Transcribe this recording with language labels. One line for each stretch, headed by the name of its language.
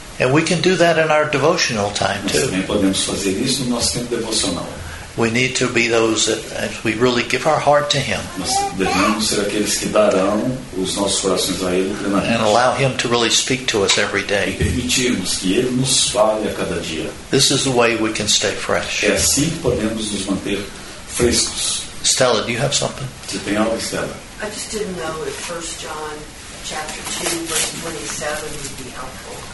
English: And we can do that in our devotional time too.
Portuguese: Nós também podemos fazer isso no nosso tempo devocional.
English: We need to be those that as we really give our heart to Him.
Portuguese: Nós devemos ser aqueles que darão os nossos corações a Ele.
English: And allow Him to really speak to us every day.
Portuguese: E permitirmos que Ele nos fale a cada dia.
English: This is the way we can stay fresh.
Portuguese: É assim que podemos nos manter frescos.
English: Stella, do you have something?
Portuguese: Você tem algo, Stella?
English: I just didn't know if 1 John chapter 2, verse 27 would be helpful.